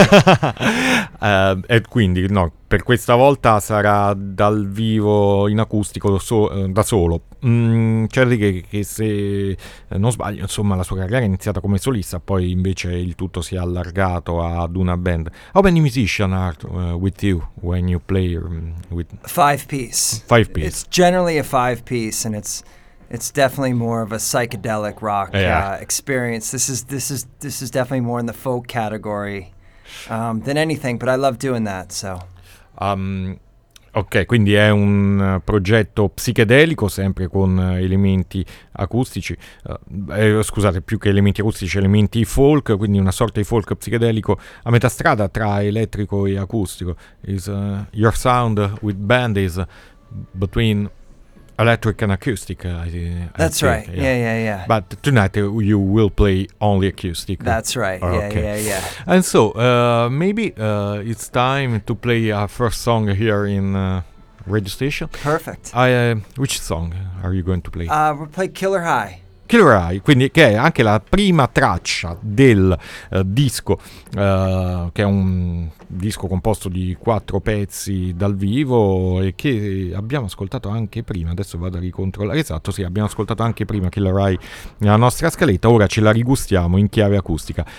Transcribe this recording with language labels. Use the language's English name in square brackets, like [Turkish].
[Italian] E quindi, no, per questa volta sarà dal vivo in acustico da solo. Certo che se non sbaglio, insomma, la sua carriera è iniziata come solista, poi invece il tutto si è allargato ad una band. [English] How many musicians are with you when you play? With Five piece. It's generally a five piece and it's definitely more of a psychedelic rock experience. This is definitely more in the folk category. than anything, but I love doing that, so. [Italian] Ok, quindi è un progetto psichedelico, sempre con elementi acustici, scusate, più che elementi acustici, elementi folk, quindi una sorta di folk psichedelico a metà strada tra elettrico e acustico. [English] Is your sound with band is between electric and acoustic, That's right, yeah. But tonight you will play only acoustic. That's right, yeah. And so, maybe it's time to play our first song here in Radio Station. Perfect. Which song are you going to play? We'll play Killer High. [Italian] Killer High, quindi che è anche la prima traccia del disco, che è un disco composto di quattro pezzi dal vivo e che abbiamo ascoltato anche prima, adesso vado a ricontrollare, esatto, sì, abbiamo ascoltato anche prima Killer High nella nostra scaletta, ora ce la rigustiamo in chiave acustica.